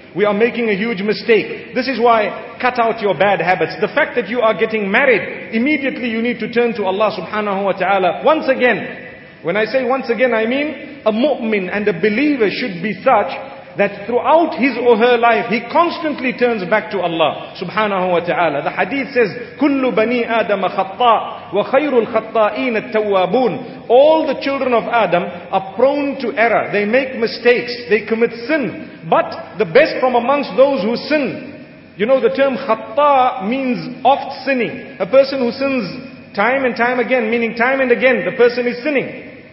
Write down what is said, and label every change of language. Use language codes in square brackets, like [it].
[en] We are making a huge mistake. This is why, cut out your bad habits. The fact that you are getting married, immediately you need to turn to Allah subhanahu wa ta'ala. Once again, when I say once again, I mean a mu'min and a believer should be such that throughout his or her life, he constantly turns back to Allah subhanahu wa ta'ala. The hadith says, [ar] كُلُّ بَنِي آدَمَ خَطَّاءَ وَخَيْرُ الْخَطَّائِينَ التَّوَّابُونَ. [en] All the children of Adam are prone to error. They make mistakes. They commit sin. But the best from amongst those who sin, you know, the term خَطَّاء means oft sinning. A person who sins time and time again, meaning time and again, the person is sinning.